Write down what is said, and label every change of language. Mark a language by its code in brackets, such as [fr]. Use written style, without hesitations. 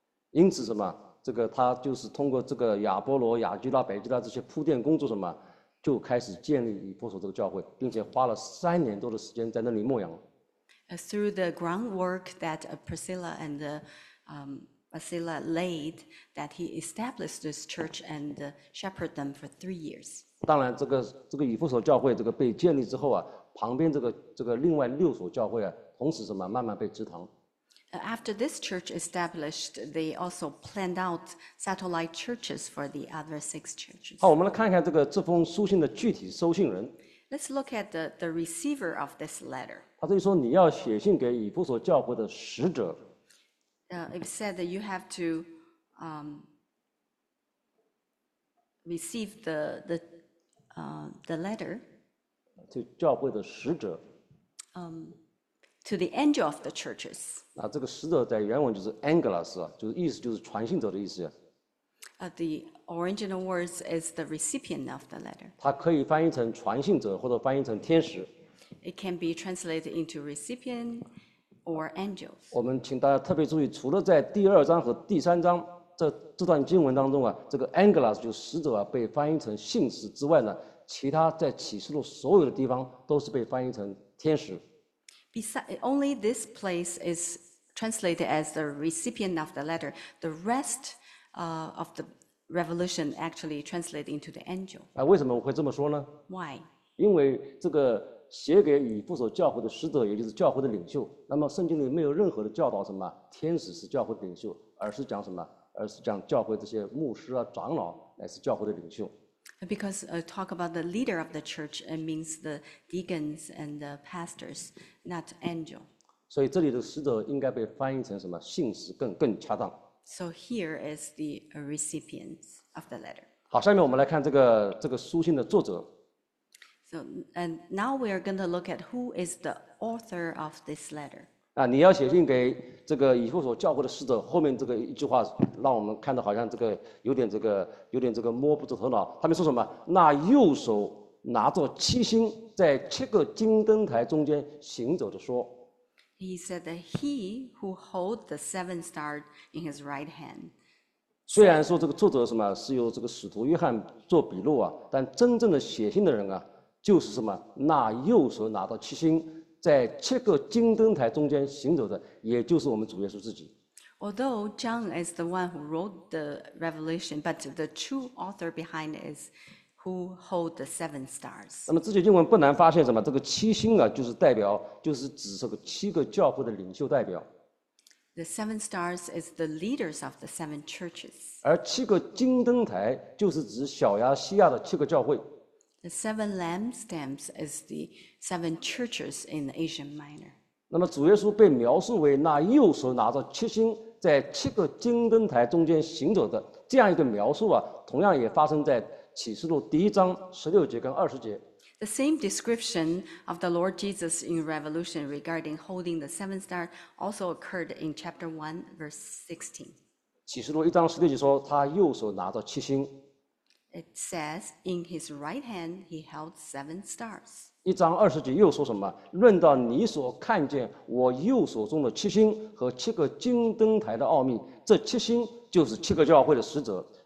[zh] 因此什么，这个他就是通过这个亚波罗、亚基拉、百基拉这些铺垫工作什么，就开始建立以弗所这个教会，并且花了三年多的时间在那里牧养。 [en] Through the groundwork that Priscilla and Basila laid, that he established this church and shepherded them for 3 years. [zh] 当然，这个以弗所教会这个被建立之后啊，旁边这个另外六所教会啊，同时什么慢慢被支堂。 [en] After this church established, they also planned out satellite churches for the other six churches. [zh] 好，我们来看一看这封书信的具体收信人。 [en] Let's look at the receiver of this letter. [zh] 他这里说你要写信给以弗所教会的使者。 [en] It said that you have to receive the letter. [zh] 就教会的使者。 [en] To the angel of the churches. [zh] 那这个使者在原文就是 angelos， 就是意思就是传信者的意思。 [en] The original words is the recipient of the letter. [zh] 它可以翻译成传信者，或者翻译成天使。 [en] It can be translated into recipient or angel. [zh] 我们请大家特别注意，除了在第二章和第三章这段经文当中啊，这个 angelos 就是使者啊被翻译成信使之外呢，其他在启示录所有的地方都是被翻译成天使。 [en] Only this place is translated as the recipient of the letter. The rest of the revelation actually translated into the angel. [zh] 为什么我会这么说呢 [en] ？Why？ [zh] 因为这个写给以弗所教会的使者，也就是教会的领袖。那么圣经里没有任何的教导什么天使是教会的领袖，而是讲什么？而是讲教会这些牧师啊、长老乃是教会的领袖。 [en] Because talk about the leader of the church, it means the deacons and the pastors, not angel. [zh] 所以这里的使者应该被翻译成什么？信使更恰当。 [en] So here is the recipient of the letter. [zh] 好，下面我们来看这个书信的作者。 [en] So and now we are going to look at who is the author of this letter. [zh] 啊，你要写信给这个以弗所教会的使者，后面这个一句话让我们看到好像这个有点这个摸不着头脑。他们说什么？那右手拿着七星，在七个金灯台中间行走着说。 [en] He said that he who holds the seven stars in his right hand. [zh] 虽然说这个作者什么是由这个使徒约翰做笔录啊，但真正的写信的人啊，就是什么那右手拿着七星。在七个金灯台中间行走的，也就是我们主耶稣自己。 [en] Although John is the one who wrote the revelation, but the true author behind it is who hold the seven stars. [zh] 那么这节经文不难发现什么？这个七星啊，就是代表，就是指这个七个教会的领袖代表。 [en] The seven stars is the leaders of the seven churches. [zh] 而七个金灯台就是指小亚细亚的七个教会。 [en] The seven lampstands is the seven churches in Asia Minor. [zh] 那么主耶稣被描述为那右手拿着七星，在七个金灯台中间行走的这样一个描述啊，同样也发生在启示录第一章十六节跟二十节。 [en] The same description of the Lord Jesus in Revelation regarding holding the seven star also occurred in chapter 1, verse 16. [zh] 启示录一章十六节说，他右手拿着七星。 [en] It says, in his right hand, he held seven stars. [zh] 一章二十节又说什么？论到你所看见我右手中的七星和七个金灯台的奥秘，这七星就是七个教会的使者。